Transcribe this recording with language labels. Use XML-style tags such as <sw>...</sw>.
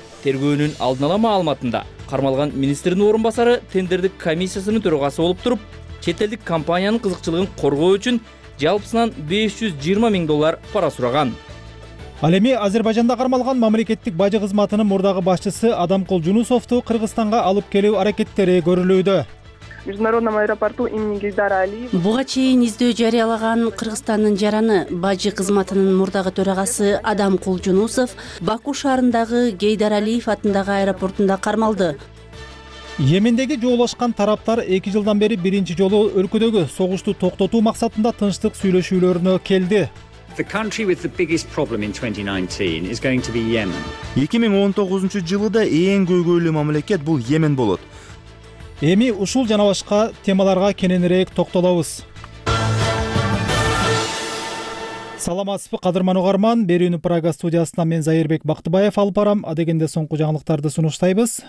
<ky>Тергөөнүн алдын ала маалыматында кармалган министрдин орун басары тендердик комиссиясынын төрагасы болуп туруп, чет элдик компаниянын кызыкчылыгын коргоо үчүн жалпысынан 520 000 доллар пара сураган. Ал эми Азербайжанда кармалган мамлекеттик бажы кызматынын мурдагы башчысы Адамкол Жунусовду Кыргызстанга алып келүү аракеттери көрүлүүдө.</ky> <ru>Международному аэропорту имени Гейдара Алиева.</ru> <ky>Буга чейин издөө жарыялаган Кыргызстандын жараны бажы кызматынын мурдагы төрагасы Адамкол Жунусов Баку шаарындагы Гейдар Алиев атындагы аэропортунда кармалды. Йемендеги жоолашкан тараптар 2 жылдан бери биринчи жолу өлкөдөгү согушту токтотуу максатында тынчтык сүйлөшүүлөрүнө келди.</ky> <en>The country with the biggest problem in 2019 is going to be Yemen.</en> <ky>2019 жылы да эң көйгөйлүү мамлекет бул Йемен болот. Эми ушул жана башка темаларга кененирээк токтолобуз. Саламатсызбы кадырман угарман, берүүнү Прага студиясынан мен Зайырбек Бактыбаев алып барам, адегенде соңку жаңылыктарды сунуштайбыз.</ky>